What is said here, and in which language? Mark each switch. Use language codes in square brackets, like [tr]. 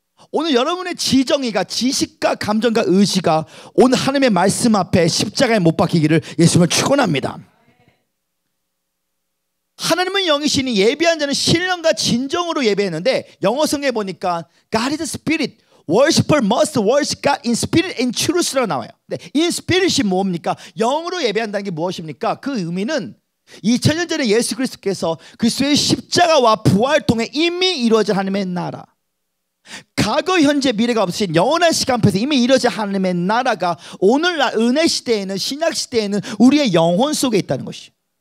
[ko] 오늘 여러분의 지정이가 지식과 감정과 의지가 오늘 하나님의 말씀 앞에 십자가에 못 박히기를 예수님을 축원합니다. 하나님은 영이시니 예배한 자는 신령과 진정으로 예배했는데 영어 성경에 보니까 [en] God is spirit. Worshipper must worship God in spirit and truth라고 [ko] 나와요. 근데 in spirit이 뭡니까? 영으로 예배한다는 게 무엇입니까? 그 의미는 2000년 전에 예수 그리스도께서 그리스도의 십자가와 부활 통해 이미 이루어진 하나님의 나라. 과거, 현재, 미래가 없으신 영원한 시간표에서 이미 이루어진 하나님의 나라가 오늘날 은혜 시대에는 신약 시대에는 우리의 영혼 속에 있다는 것이죠.